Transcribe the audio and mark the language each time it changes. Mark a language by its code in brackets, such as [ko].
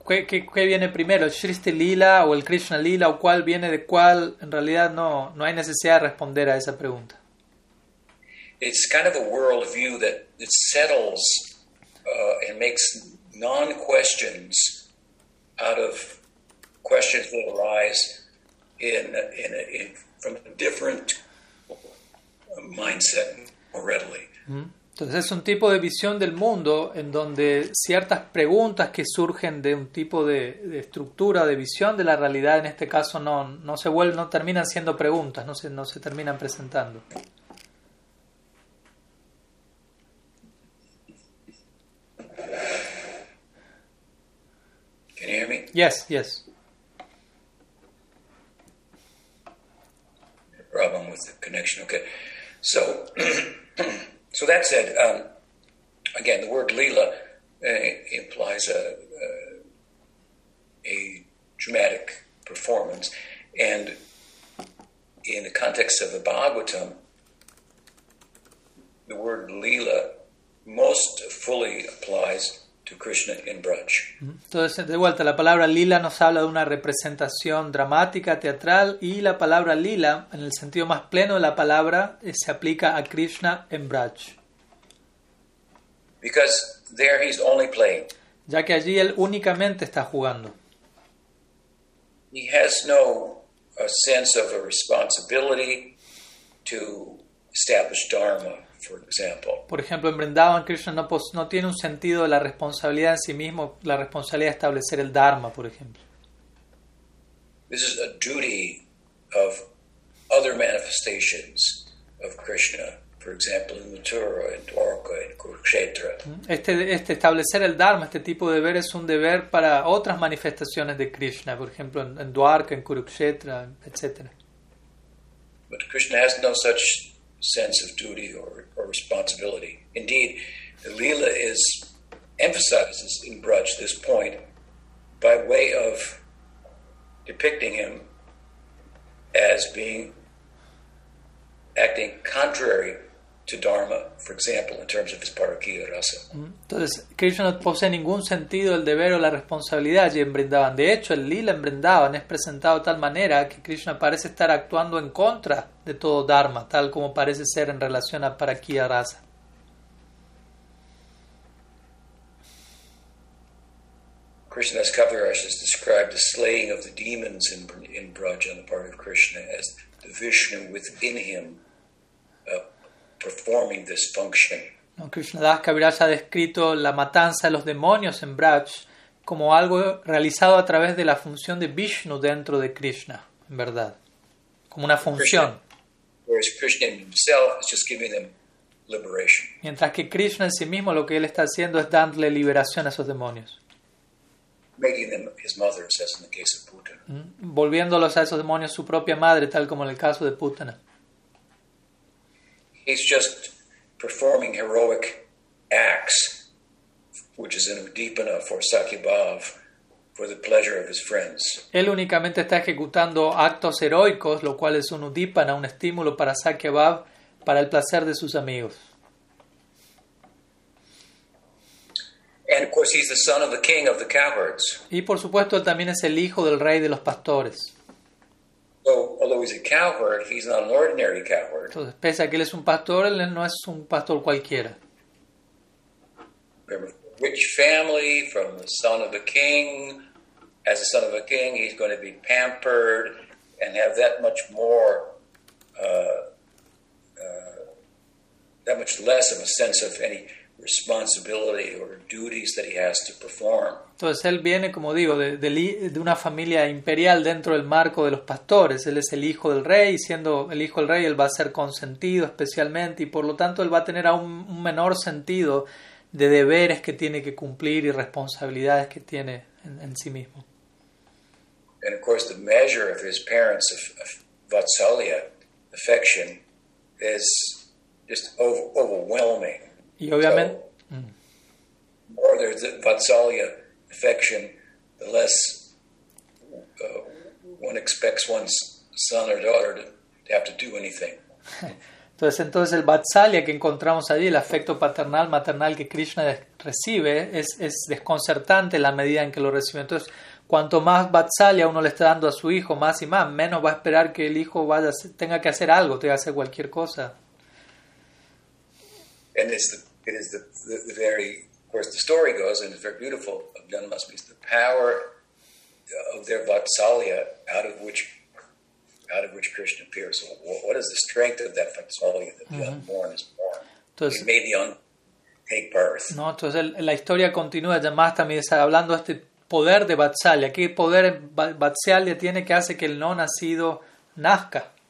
[es] ¿Qué viene primero, Srishti lila o el Krishna lila, o cuál viene de cuál? En realidad no hay necesidad de responder a esa pregunta. [en] It's kind of a world view that it settles and makes non-questions out of questions that arise in from a different mindset more readily. [es] Entonces es un tipo de visión del mundo en donde ciertas preguntas que surgen de un tipo de estructura, de visión de la realidad, en este caso no terminan siendo preguntas, no se terminan presentando. [en] Can you hear me? Yes, yes. Problem with the connection. Okay. So that said, again, the word lila implies a dramatic performance, and in the context of the Bhagavatam, the word lila most fully applies to Krishna in Braj. [es] Entonces, de vuelta, la palabra lila nos habla de una representación dramática, teatral, y la palabra lila, en el sentido más pleno de la palabra, se aplica a Krishna en Braj. [en] Because there he's only playing. [es] Ya que allí él únicamente está jugando. [en] He has no sense of a responsibility to establish dharma. [es] Por ejemplo, en Vrindavan, Krishna no tiene un sentido de la responsabilidad en sí mismo, la responsabilidad de establecer el Dharma, por ejemplo. [en] This is a duty of other manifestations of Krishna, for example, in Mathura, in Dwarka, in Kurukshetra. [es] Este establecer el Dharma, este tipo de deber, es un deber para otras manifestaciones de Krishna, por ejemplo, en Dwarka, en Kurukshetra, etc. [en] But Krishna has no such sense of duty or responsibility. Indeed, the lila emphasizes in Braj this point by way of depicting him as being acting contrary to dharma, for example, in terms of his parakiya rasa. [es] Entonces, Krishna no posee ningún sentido del deber o la responsabilidad allí en Vrindavan. De hecho, el lila en Vrindavan es presentado de tal manera que Krishna parece estar actuando en contra de todo dharma, tal como parece ser en relación a parakiya rasa. [en] Krishna's Kaviraj has described the slaying of the demons in Braj on the part of Krishna as the Vishnu within him performing this function. [es] No, Krishna Das Kaviraj ha descrito la matanza de los demonios en Braj como algo realizado a través de la función de Vishnu dentro de Krishna, en verdad, como una función. [en] Whereas Krishna himself is just giving them liberation. [es] Mientras que Krishna en sí mismo lo que él está haciendo es dándole liberación a esos demonios. [en] Making them his mother, says in the case of Putana. [es] Volviéndolos a esos demonios su propia madre, tal como en el caso de Putana. [en] He's just performing heroic acts, which is deep enough for Sakyabhav, for the pleasure of his friends. [es] Él únicamente está ejecutando actos heroicos, lo cual es un udipana, un estímulo para Sakyabhav, para el placer de sus amigos. [en] And of course he's the son of the king of the cowherds. [es] Y por supuesto él también es el hijo del rey de los pastores. [en] So, although he's a cowherd, he's not an ordinary cowherd. [es] Entonces, pese a que él es un pastor, él no es un pastor cualquiera. [en] Rich family, from the son of a king. As a son of a king, he's going to be pampered and have that much more, that much less of a sense of any responsibility or duties that he has to perform. [es] Entonces él viene, como digo, de una familia imperial dentro del marco de los pastores. Él es el hijo del rey, y siendo el hijo del rey, él va a ser consentido especialmente, y por lo tanto él va a tener aún un menor sentido de deberes que tiene que cumplir y responsabilidades que tiene en sí mismo. [en] And of course, the measure of his parents' vatsalya, affection, is just overwhelming. [es] Y obviamente, [en] so, more there's the vatsalya affection, the less one expects one's son or daughter to have to do anything. [es] Entonces el vatsalya que encontramos allí, el afecto paternal, maternal que Krishna recibe, es desconcertante la medida en que lo recibe. Entonces, cuanto más vatsalya uno le está dando a su hijo, más y más, menos va a esperar que el hijo vaya, tenga que hacer algo, tenga que hacer cualquier cosa. [en] And it is the very, of course, the story goes, and it's very beautiful, of Janmasmi, the power of their vatsalya out of which Krishna appears. So what is the strength of that vatsalya that the unborn is born? [es] Entonces, [en] it made the unborn take birth. [es] No, entonces la historia continúa, Janmasmi está hablando de este poder de vatsalya. ¿Qué poder vatsalya tiene que hace que el no nacido nazca?